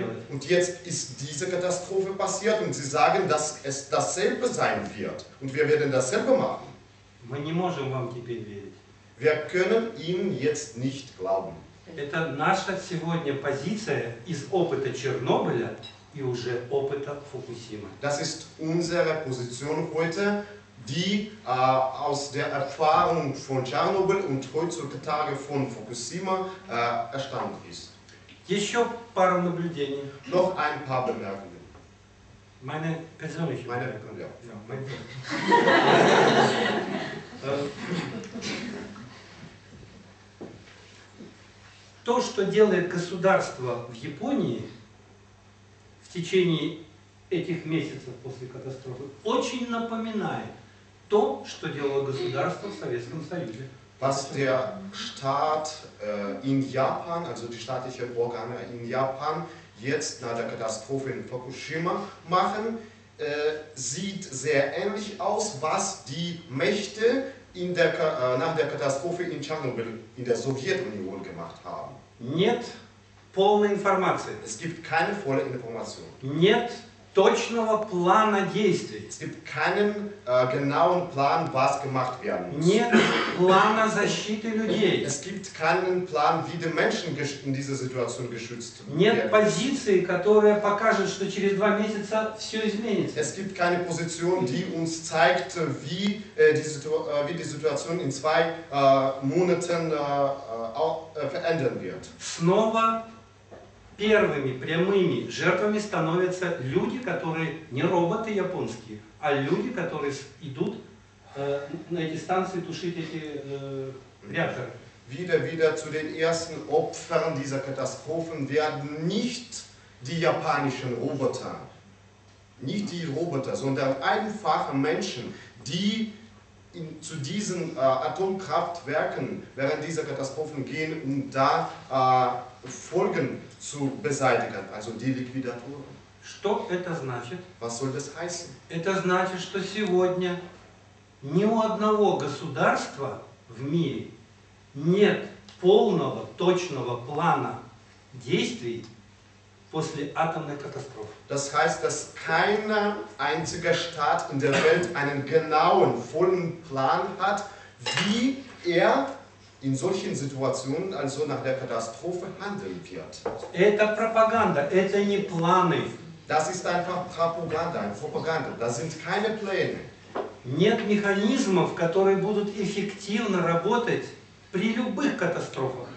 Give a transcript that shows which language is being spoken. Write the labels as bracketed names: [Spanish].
[German] Und jetzt ist diese Katastrophe passiert und Sie sagen, dass es dasselbe sein wird. Und wir werden dasselbe machen. Wir können Ihnen jetzt nicht glauben. [Russian] Это наша сегодня позиция из опыта Чернобыля и уже опыта Фукусимы. [German] Das ist unsere Position heute, die aus der Erfahrung von Tschernobyl und heutzutage von Fukushima erstammt ist. [Russian] Еще пару наблюдений. [German] Noch ein paar Bemerkungen. Meine persönliche. Meine Bemerkungen, ja. Ja, meine. [Russian] то, что делает государство в Японии в течение этих месяцев после катастрофы, очень напоминает то, что делало государство в Советском Союзе. [German] Was der Staat in Japan, also die staatlichen Organe in Japan, jetzt nach der Katastrophe in Fukushima machen, sieht sehr ähnlich aus, was die Mächte in der, nach der Katastrophe in Tschernobyl in der Sowjetunion gemacht haben. [Russian] Нет полной информации. [German] Es gibt keine volle Information. [Russian] Нет точного плана действий. [German] Es gibt keinen genauen Plan, was gemacht werden muss. [Russian] Нет плана защиты людей. [German] Es gibt keinen Plan, wie die Menschen in dieser Situation geschützt werden. [Russian] Нет позиции, которая покажет, что через два месяца все изменится. [German] Es gibt keine Position, die uns zeigt, wie, wie die Situation in zwei Monaten verändern wird. [Russian] Снова первыми прямыми жертвами становятся люди, которые не роботы японские, а люди, которые идут на эти станции тушить эти реакторы. [German] Wieder zu den ersten Opfern dieser Katastrophen werden nicht die japanischen Roboter, nicht die Roboter, sondern einfache Menschen, die in, zu diesen Atomkraftwerken während dieser Katastrophen gehen, um da Folgen zu beseitigen, also die Liquidatur. [Russian] Что это значит? [German] Was soll das heißen? [Russian] Это значит, что сегодня ни у одного государства в мире нет полного, точного плана действий после атомной катастрофы. [German] Das heißt, dass keiner einziger Staat in der Welt einen genauen, vollen Plan hat, wie er in solchen Situationen, also nach der Katastrophe, handeln wird. [Russian] Это пропаганда, это не планы. [German] Das ist einfach Propaganda, eine Propaganda. Das sind keine Pläne. [Russian] Нет механизмов, которые будут эффективно работать при любых катастрофах.